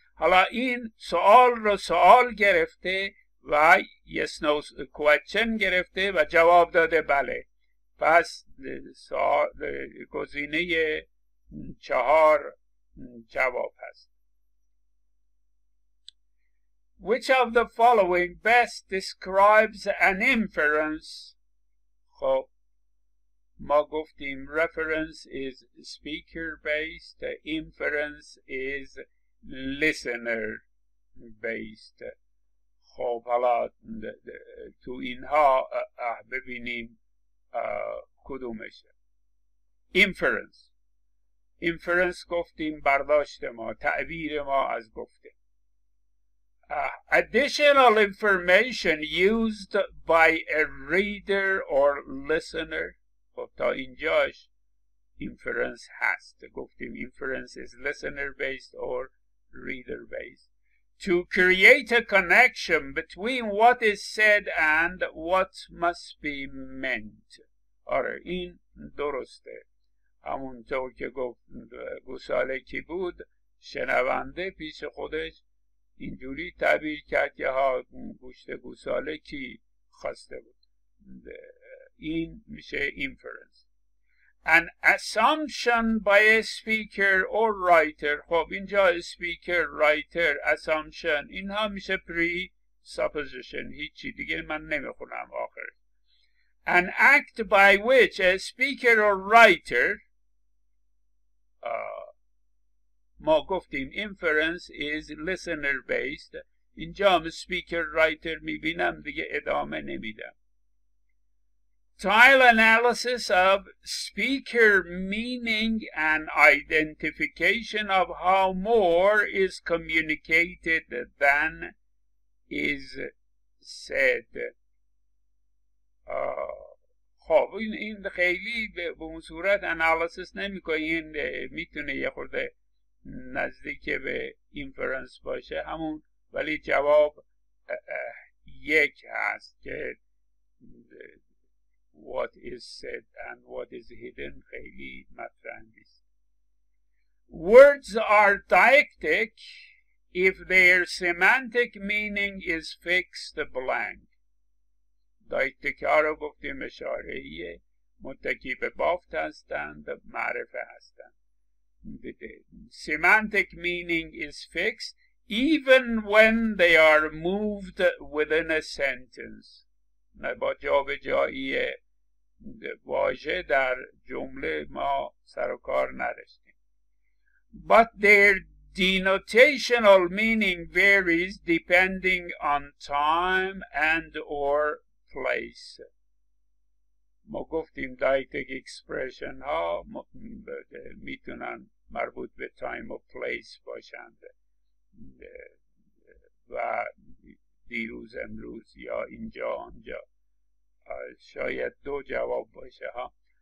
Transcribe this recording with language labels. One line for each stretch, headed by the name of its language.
Persian: حالا این سوال رو سوال گرفته و
English: yes no question
Persian: گرفته و جواب داده بله. پس سوال گزینه چهار جواب هست. Which of the following best describes an inference? خب ما گفتیم
English: reference is speaker based, inference is listener based.
Persian: خب حالا تو اینها ببینیم کدومشه. inference گفتیم برداشت ما، تعبیر ما از گفته.
English: Additional information used by a reader or listener.
Persian: خب تا اینجاش inference هست. گفتیم
English: inference is listener based or reader based. To create a connection between what is said and what must be meant.
Persian: آره این درسته. همونطور که گفت گوساله کی بود، شنونده پیش خودش اینجوری تعبیر کرد که ها گوشت گوساله کی خواسته بود. این میشه inference.
English: An assumption by a speaker or writer.
Persian: خب اینجا speaker, writer, assumption اینها میشه presupposition، هیچی دیگه من نمیخونم آخر.
English: An act by which a speaker or writer.
Persian: ما گفتیم
English: inference is listener based،
Persian: اینجا هم speaker writer میبینم دیگه ادامه نمیدم.
English: Tile analysis of speaker meaning and identification of how more is communicated than is said.
Persian: خب این خیلی به اون صورت analysis نمی کنید، میتونه یه خورده نزدیک به inference باشه همون، ولی جواب یک هست که
English: what is said and what is hidden
Persian: خیلی مطرح نیست.
English: Words are deictic if their semantic meaning is fixed blank.
Persian: دایکتیک ها رو گفتیم اشاره‌ایه، متکی به بافت هستند، معرفه هستند.
English: Semantic meaning is fixed even when they are moved within a sentence.
Persian: با جابجایی واژه در جمله ما سر و کار نداشتیم.
English: But their denotational meaning varies depending on time and or place.
Persian: ما گفتیم دایکتیک اکسپرشن ها میتونن مربوط به time و place باشند و دیروز امروز یا اینجا آنجا، شاید دو جواب باشه ها.